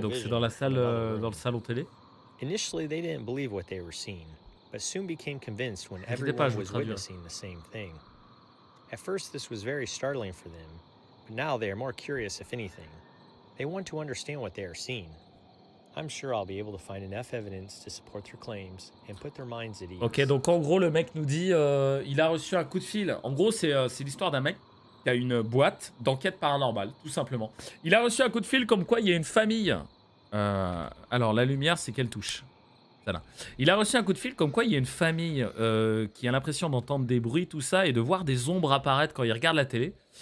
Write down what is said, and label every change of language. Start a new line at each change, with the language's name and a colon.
French: donc c'est dans la salle, dans le salon télé.
English: Initially, they didn't believe what they were seeing, but soon became convinced when everyone was witnessing the same thing. At first, this was very startling for them, but now they are more curious. If anything, they want to understand what they are seeing. I'm sure I'll be able to find enough evidence to support their claims and put their minds at ease.
French: Ok, donc en gros, le mec nous dit, il a reçu un coup de fil. En gros, c'est l'histoire d'un mec. Il y a une boîte d'enquête paranormale, tout simplement. Il a reçu un coup de fil comme quoi il y a une famille. Alors, la lumière, c'est qu'elle touche. Voilà. Il a reçu un coup de fil comme quoi il y a une famille qui a l'impression d'entendre des bruits, tout ça, et de voir des ombres apparaître quand il regarde la télé.